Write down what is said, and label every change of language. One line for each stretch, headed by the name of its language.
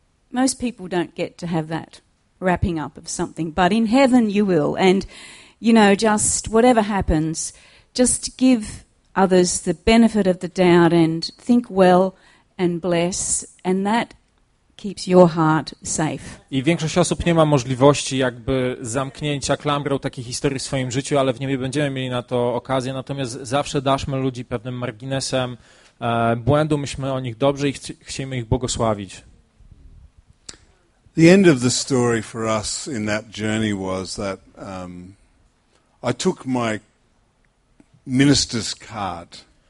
English: Most people don't get to have that wrapping up of something, but in heaven you will. And you know, just whatever happens, just give others the benefit of the doubt and think well. And bless, and that keeps your heart safe.
Polish: I większość osób nie ma możliwości jakby zamknięcia klamrą takiej historii w swoim życiu, ale w niebie będziemy mieli na to okazję. Natomiast zawsze daszmy ludzi pewnym marginesem błędu, myślmy o nich dobrze i chcemy ich błogosławić.
English: The end of the story for us in that journey was that I took my minister's card.